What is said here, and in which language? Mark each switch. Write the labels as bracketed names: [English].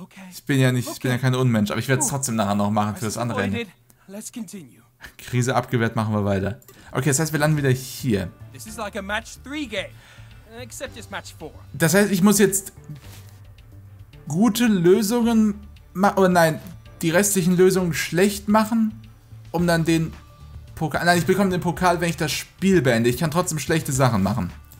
[German] Ich bin ja nicht, ich bin ja kein Unmensch, aber ich werde es trotzdem nachher noch machen für das andere Ende. [English] Let's continue. [German] Krise abgewehrt, machen wir weiter. Okay, das heißt, wir landen wieder hier. [English] This is like a match 3 game, except it's match 4. [German] Das heißt, ich muss jetzt gute Lösungen machen, oder nein, die restlichen Lösungen schlecht machen, um dann den Pokal... Nein, ich bekomme den Pokal, wenn ich das Spiel beende. Ich kann trotzdem schlechte Sachen machen.